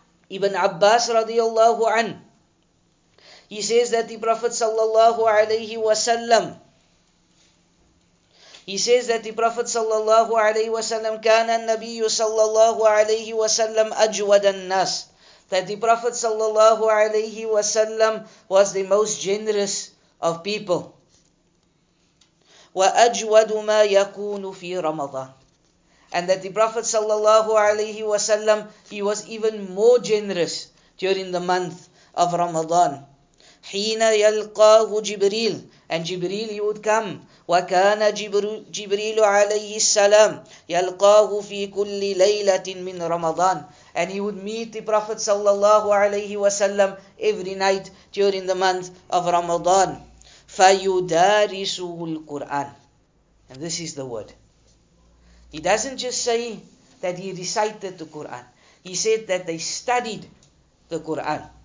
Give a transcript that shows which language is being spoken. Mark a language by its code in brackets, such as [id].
[en] Ibn Abbas radiyallahu an, he says that the Prophet sallallahu alayhi wa sallam, he says that the Prophet sallallahu alayhi wa sallam, [ar] kana an-nabiyyu sallallahu alayhi wa sallam ajwad an-nas, [en] that the Prophet sallallahu alayhi wa sallam was the most generous of people. [ar] وأجود ما يكون في رمضان. [en] And that the Prophet sallallahu alayhi wa sallam, he was even more generous during the month of Ramadan. [ar] حين يلقاه جبريل. [en] And Jibreel, he would come. [ar] وكان جبريل عليه السلام يلقاه في كل ليلة من رمضان. [en] And he would meet the Prophet sallallahu alayhi wa sallam every night during the month of Ramadan. [ar] فَيُدَارِسُهُ الْقُرْآنِ. [en] And this is the word. He doesn't just say that he recited the Qur'an. He said that they studied the Qur'an.